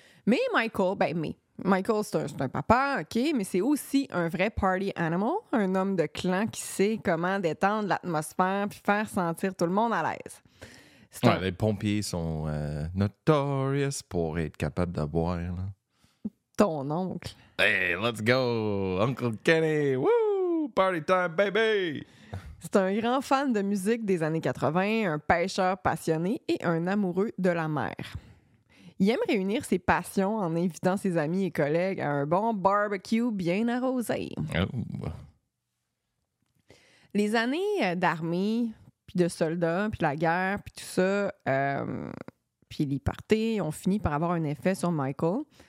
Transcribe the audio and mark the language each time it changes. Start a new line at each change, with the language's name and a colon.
French: Mais Michael, ben mais... Michael, c'est un papa, OK, mais c'est aussi un vrai party animal, un homme de clan qui sait comment détendre l'atmosphère puis faire sentir tout le monde à l'aise. Ouais, les pompiers sont notorious pour être capables de boire. Là. Ton oncle.
English: Hey, let's go, Uncle Kenny, woo, party time, baby!
French: C'est un grand fan de musique des années 80, un pêcheur passionné et un amoureux de la mer. Il aime réunir ses passions en invitant ses amis et collègues à un bon barbecue bien arrosé. Oh. Les années d'armée, puis de soldats, puis la guerre, puis tout ça, puis les parties ont fini par avoir un effet sur Michael.